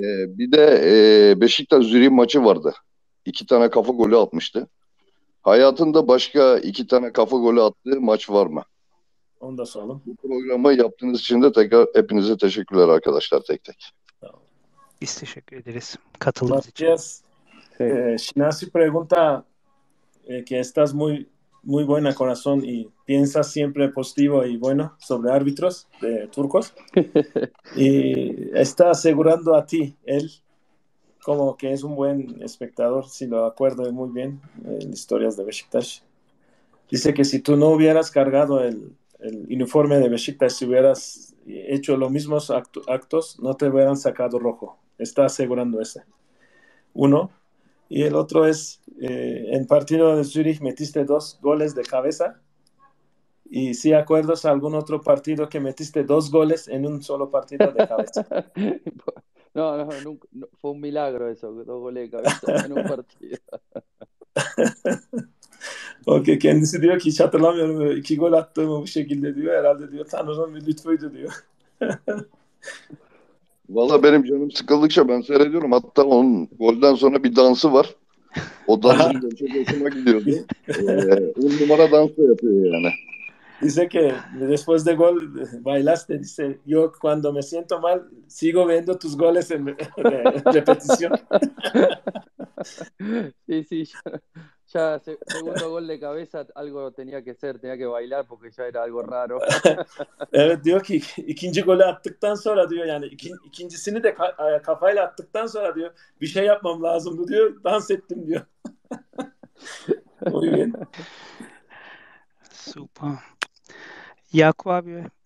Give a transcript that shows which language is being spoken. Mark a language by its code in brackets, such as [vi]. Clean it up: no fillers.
[tr] Bir de Beşiktaş Zürih maçı vardı. İki tane kafa golü atmıştı. Hayatında başka iki tane kafa golü attığı maç var mı? Onu da soralım. Bu programı yaptığınız için de tekrar hepinize teşekkürler arkadaşlar, tek tek. Biz teşekkür ederiz katıldığınız için. [es] Matías, Sinasi pregunta que estás muy muy buena corazón y piensas siempre positivo y bueno sobre árbitros de turcos. Y está asegurando a ti, él, como que es un buen espectador, si lo acuerdo muy bien, en historias de Beşiktaş. Dice que si tú no hubieras cargado el uniforme de Beşiktaş, si hubieras hecho los mismos actos, no te hubieran sacado rojo. Está asegurando ese. Uno. Y el otro es, en partido de Zurich metiste dos goles de cabeza. Y si acuerdas algún otro partido que metiste dos goles en un solo partido de cabeza. No, no, nunca, no, fue un milagro eso, dos goles de cabeza en un partido. [tr] Okay, kendisi diyor ki hiç hatırlamıyorum iki gol attığımı bu şekilde diyor. Herhalde diyor Tanrı'nın bir lütfuydu diyor. Valla benim canım sıkıldıkça ben seyrediyorum. Hatta onun golden sonra bir dansı var. O Aha. dansın da çok hoşuma gidiyordu. On numara dansı yapıyor yani. [es] Dice que después de gol bailaste, dice, yo cuando me siento mal, sigo viendo tus goles en repetición. Sí, ya segundo gol de cabeza, algo tenía que ser, tenía que bailar porque ya era algo raro. [tr] Evet diyor ki ikinci golü attıktan sonra diyor yani ikincisini de kafayla attıktan sonra diyor bir şey yapmam lazımdı diyor dans ettim diyor. Oyun. Süper. Yakup abi.